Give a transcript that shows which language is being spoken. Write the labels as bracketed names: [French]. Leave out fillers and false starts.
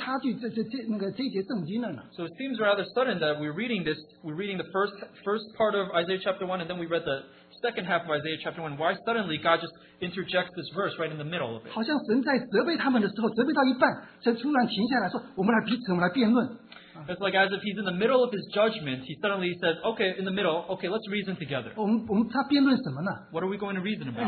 [Chinese] 我们在读这节的时候好像很唐突,很突然。前面,这是前面在讲它的里面的光景,外面讲外面的生活,这么样的败坏的情形之下,怎么突然插进这节圣经了呢? [English] So it seems rather sudden that we're reading the first part of Isaiah chapter 1 and then we read the second half of Isaiah chapter 1. Why suddenly God just interjects this verse right in the middle of it? [Chinese] 好像神在责备他们的时候,责备到一半,神突然停下来说,我们来彼此,我们来辩论。 [English] It's like as if he's in the middle of his judgment, he suddenly says, okay, in the middle, okay, let's reason together. [Chinese] 我们他辩论什么呢? [English] What are we going to reason about?